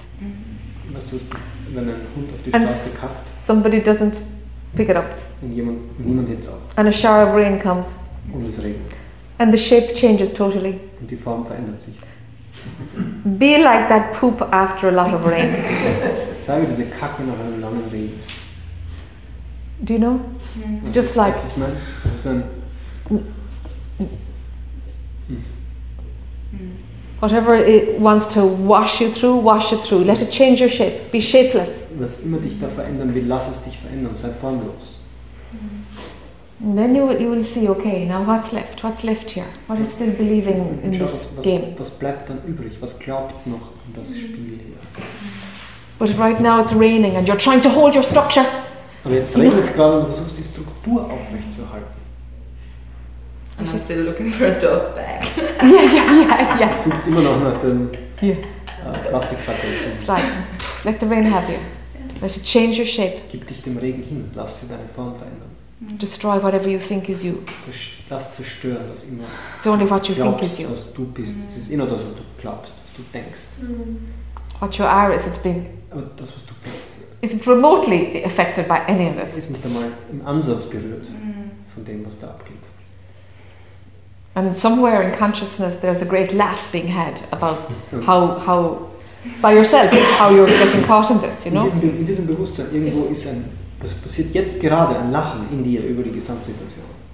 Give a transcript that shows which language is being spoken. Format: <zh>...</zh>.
<de>Wenn ein Hund auf die Straße kackt,</de> <en>somebody doesn't pick it up.</en> <de>Und niemand hebt es auf.</de> <en>And a shower of rain comes.</en> <de>Und es regnet.</de> <en>And the shape changes totally.</en> <de>Und die Form verändert sich.</de> <en>Be like that poop after a lot of rain.</en> <de>Sei wie diese Kacke nach einem langen Regen.</de> <en>Do you know? Yeah. It's just like.</en> <de>Was ich meine? Das ist ein.</de> <en>Whatever it wants to wash it through. Let it change your shape. Be shapeless.</en> <de>Was immer dich da verändern will, lass es dich verändern. Sei formlos.</de> <en>And then you will see, okay, now what's left? What's left here? What is still believing in this game?</en> <de>Was bleibt dann übrig? Was glaubt noch an das Spiel hier?</de> <en>But right now it's raining and you're trying to hold your structure.</en> <de>Aber jetzt regnet es gerade und du versuchst die Struktur aufrecht zu erhalten.</de> <en>And I'm still looking for a dog bag. Yeah.</en> <de>Du suchst immer noch nach dem Plastiksack.</de> <en>It's like, let the rain have you. Let it change your shape.</en> <de>Gib dich dem Regen hin. Lass sie deine Form verändern.</de> <en>Destroy whatever you think is you.</en> <de>Lass zerstören, was immer.</de> <en>It's only what you</en> <de>glaubst,</de> <en>think is you.</en> <de>Was du bist. Es ist immer das, was du glaubst, was du denkst.</de> <en>What you are, is it being?</en> <de>Aber das, was du bist.</de> <en>Is it remotely affected by any of this?</en> <de>Ist nicht einmal im Ansatz berührt von dem, was da abgeht.</de> <en>And somewhere in consciousness there's a great laugh being had about how by yourself, how you're getting caught in this, you know?</en> <de>In diesem Bewusstsein irgendwo ist ein, was passiert jetzt gerade, ein Lachen in dir über die Gesamtsituation.</de>